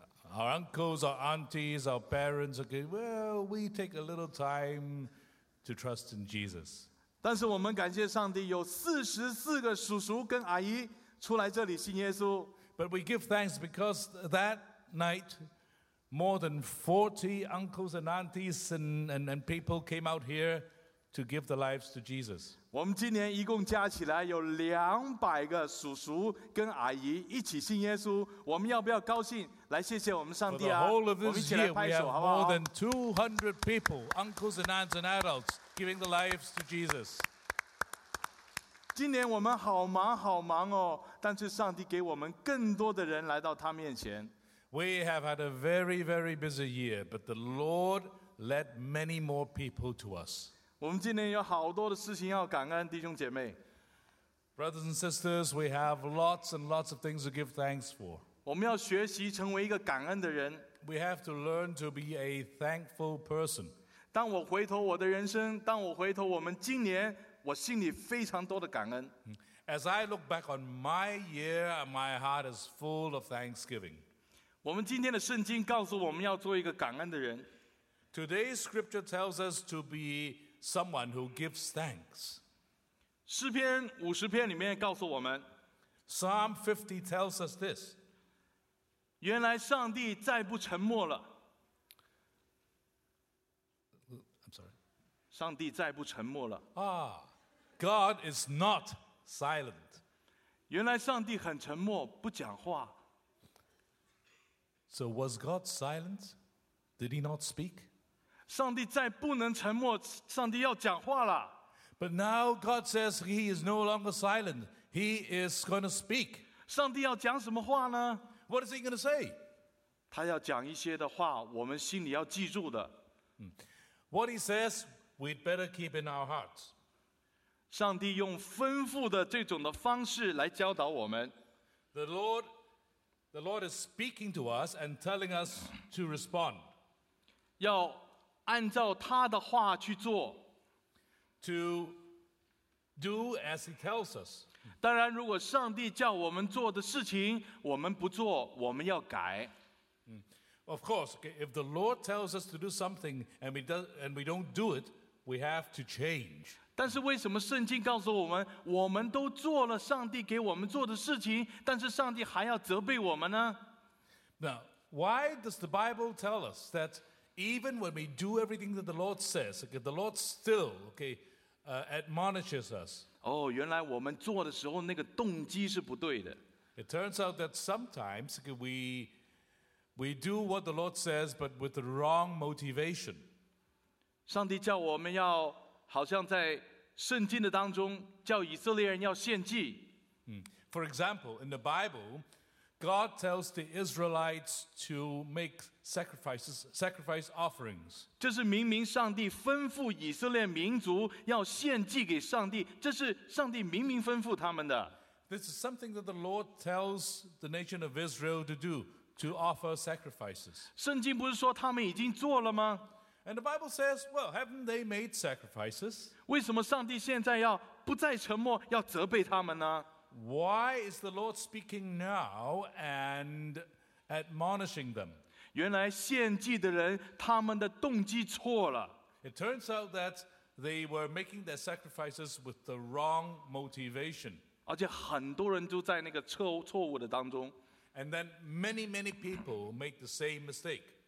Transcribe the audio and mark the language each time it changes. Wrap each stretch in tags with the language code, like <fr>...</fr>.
<en>Our uncles, our aunties, our parents, we take a little time to trust in Jesus.</en> <zh>但是我们感谢上帝，有44个叔叔跟阿姨出来这里信耶稣。</zh> <en>But we give thanks because that night, more than 40 uncles and aunties and people came out here to give their lives to Jesus.</en> <zh>我们今年一共加起来有200个叔叔跟阿姨一起信耶稣。我们要不要高兴来谢谢我们上帝啊？我们一起来拍手好不好？</zh> <en>For the whole of this year, we have more than 200 people, uncles and aunts and adults, giving their lives to Jesus.</en> <zh>今年我们好忙好忙哦，但是上帝给我们更多的人来到他面前。</zh> <en>We have had a very, very busy year, but the Lord led many more people to us.</en> <zh>我们今年有好多的事情要感恩，弟兄姐妹。</zh> <en>Brothers and sisters, we have lots and lots of things to give thanks for.</en> <zh>我们要学习成为一个感恩的人。</zh> <en>We have to learn to be a thankful person.</en> <zh>当我回头我的人生，当我回头我们今年。我心里非常多的感恩。</zh> <en>As I look back on my year, my heart is full of thanksgiving.</en> <zh>我们今天的圣经告诉我们要做一个感恩的人。</zh> <en>Today's scripture tells us to be someone who gives thanks.</en> <zh>诗篇五十篇里面告诉我们。</zh> <en>Psalm 50 tells us this.</en> <zh>原来上帝再不沉默了。</zh> <en>I'm sorry.</en> <zh>上帝再不沉默了。</zh> <en>God is not silent.</en> <zh>原来上帝很沉默，不讲话。</zh> <en>So was God silent? Did he not speak?</en> <zh>上帝再不能沉默，上帝要讲话了。</zh> <en>But now God says he is no longer silent. He is going to speak.</en> <zh>上帝要讲什么话呢？</zh> <en>What is he going to say?</en> <zh>他要讲一些的话，我们心里要记住的。</zh> <en>What he says, we'd better keep in our hearts.</en> <zh>上帝用吩咐的这种的方式来教导我们。</zh> <en>The Lord is speaking to us and telling us to respond.</en> <zh>要按照他的话去做。</zh> <en>To do as he tells us.</en> <zh>当然，如果上帝叫我们做的事情，我们不做，我们要改。</zh> <en>Of course, if the Lord tells us to do something and we don't do it, we have to change.</en> <zh>但是为什么圣经告诉我们，我们都做了上帝给我们做的事情，但是上帝还要责备我们呢？</zh> <en>Now, why does the Bible tell us that even when we do everything that the Lord says, okay, the Lord still, okay, admonishes us?</en> <zh>哦，原来我们做的时候那个动机是不对的。</zh> <en>It turns out that sometimes we do what the Lord says, but with the wrong motivation.</en> <zh>上帝叫我们要好像在圣经的当中叫以色列人要献祭。</zh> <en>For example, in the Bible, God tells the Israelites to make sacrifice offerings.</en> <zh>这是明明上帝吩咐以色列民族要献祭给上帝，这是上帝明明吩咐他们的。</zh> <en>This is something that the Lord tells the nation of Israel to do, to offer sacrifices.</en> <zh>圣经不是说他们已经做了吗？</zh> <en>And the Bible says, well, haven't they made sacrifices?</en> <zh>为什么上帝现在要不再沉默，要责备他们呢？</zh> <en>Why is the Lord speaking now and admonishing them?</en> <zh>原来献祭的人，他们的动机错了。</zh> <en>It turns out that they were making their sacrifices with the wrong motivation.</en> <zh>而且很多人都在那个错误的当中。</zh> <en>And then many, many people make the same mistake.</en>